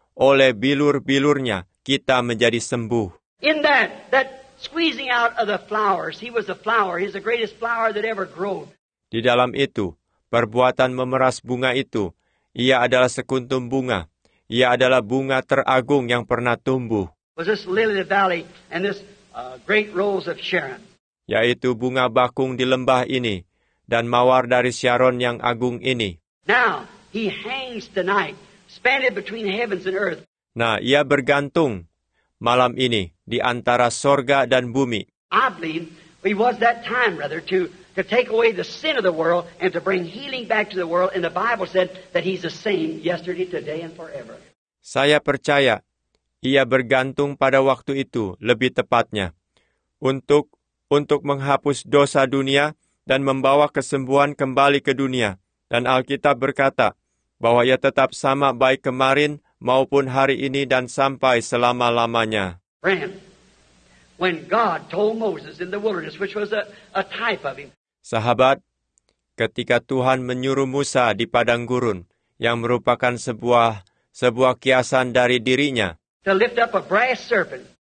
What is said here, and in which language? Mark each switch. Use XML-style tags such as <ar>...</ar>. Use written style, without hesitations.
<id>Oleh bilur-bilurnya, kita menjadi sembuh.</id> <en>In that squeezing out of the flowers, he was a flower. He's the greatest flower that ever grew.</en> <id>Di dalam itu, perbuatan memeras bunga itu, ia adalah sekuntum bunga. Ia adalah bunga teragung yang pernah tumbuh.</id> <en>Was this lily of the valley and this great rose of Sharon.</en> <id>Yaitu bunga bakung di lembah ini dan mawar dari Sharon yang agung ini.</id> <en>Now, he hangs tonight, spanned between heavens and earth.</en> <id>Nah, ia bergantung malam ini di antara sorga dan bumi.</id> <en>I believe he was that time, rather, to take away the sin of the world and to bring healing back to the world. And the Bible said that he's the same yesterday, today, and forever.</en> <id>Saya percaya ia bergantung pada waktu itu, lebih tepatnya, untuk menghapus dosa dunia dan membawa kesembuhan kembali ke dunia. Dan Alkitab berkata bahwa ia tetap sama baik kemarin maupun hari ini dan sampai selama-lamanya.</id> <en>Friend, when God told Moses in the wilderness, which was a type of him.</en> <id>Sahabat, ketika Tuhan menyuruh Musa di padang gurun, yang merupakan sebuah kiasan dari dirinya,</id> <en>to lift up a brass serpent,</en>